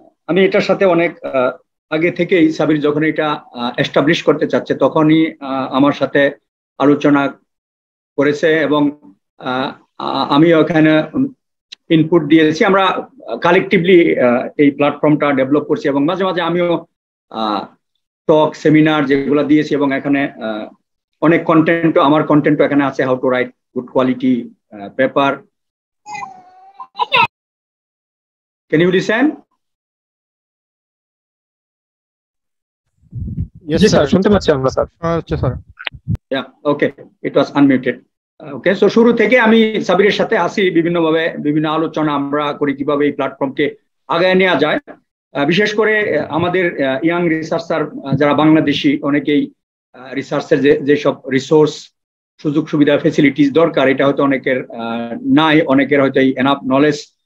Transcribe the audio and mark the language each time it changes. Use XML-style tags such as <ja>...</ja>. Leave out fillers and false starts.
<bn>আমি এটার সাথে অনেক আগে থেকেই, সাবির যখন এটা এস্টাবলিশ করতে চাচ্ছে তখনই আমার সাথে আলোচনা করেছে এবং আমি ওখানে ইনপুট দিয়েছি, আমরা কালেকটিভলি এই প্ল্যাটফর্মটা ডেভেলপ করছি এবং মাঝে মাঝে আমিও টক সেমিনার যেগুলো দিয়েছি এবং এখানে অনেক কন্টেন্টও, আমার কন্টেন্টও এখানে আছে,</bn> <en>How to write good quality paper. Can you listen? Yes sir,</en> <bn>শুনতে পাচ্ছি আমরা স্যার। আচ্ছা sir.</bn> <en>Yeah, okay, it was unmuted.</en> <bn>Okay, so শুরু থেকে আমি সাবিরের সাথে আসি, বিভিন্নভাবে বিভিন্ন আলোচনা আমরা করি কিভাবে এই প্ল্যাটফর্মকে আগায় নেওয়া যায়, বিশেষ করে আমাদের ইয়াং রিসার্চার যারা বাংলাদেশি অনেকেই রিসার্চের যেসব রিসোর্স সুযোগ সুবিধা ফেসিলিটিস দরকার এটা হয়তো অনেকের নাই, অনেকের হয়তো এই এনাফ নলেজ</bn>